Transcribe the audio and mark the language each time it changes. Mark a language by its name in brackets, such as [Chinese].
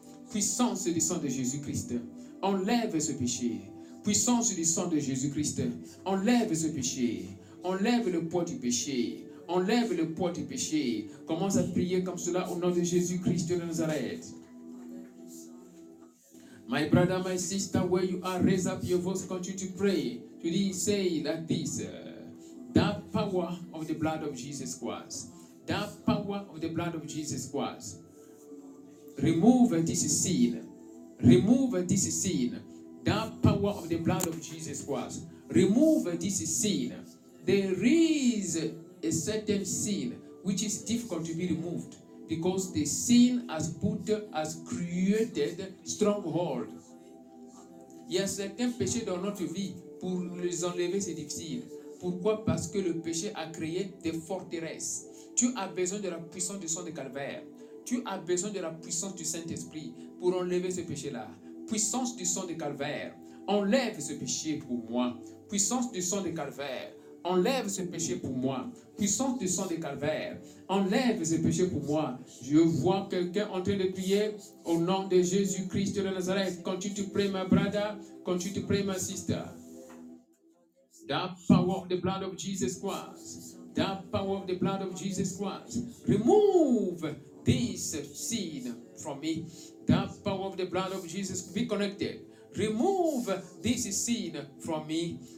[French] Puissance du sang de Jésus-Christ, enlève ce péché. Puissance du sang de Jésus-Christ, enlève ce péché. Enlève le poids du péché. Enlève le poids du péché. Commence à prier comme cela au nom de Jésus-Christ de Nazareth. [English] My brother, my sister, where you are, raise up your voice, continue to pray. To say like this, that power of the blood of Jesus Christ, that power of the blood of Jesus Christ, remove this sin, remove this sin, that power of the blood of Jesus Christ, remove this sin. There is a certain sin which is difficult to be removed, because the sin has created stronghold. [French] Il y a certains péchés dans notre vie, pour les enlever c'est difficile. Pourquoi? Parce que le péché a créé des forteresses. Tu as besoin de la puissance du sang de Calvaire. Tu as besoin de la puissance du Saint-Esprit pour enlever ce péché-là. Puissance du sang de Calvaire, enlève ce péché pour moi. Puissance du sang de Calvaire, Enlève ce péché pour moi. Puissance du sang de Calvaire, enlève ce péché pour moi. Je vois quelqu'un en train de prier au nom de Jésus-Christ de Nazareth. Quand tu te pries, ma brother, quand tu te pries, ma sister. [English] The power of the blood of Jesus Christ. The power of the blood of Jesus Christ. Remove this sin from me. The power of the blood of Jesus. Be connected. Remove this sin from me.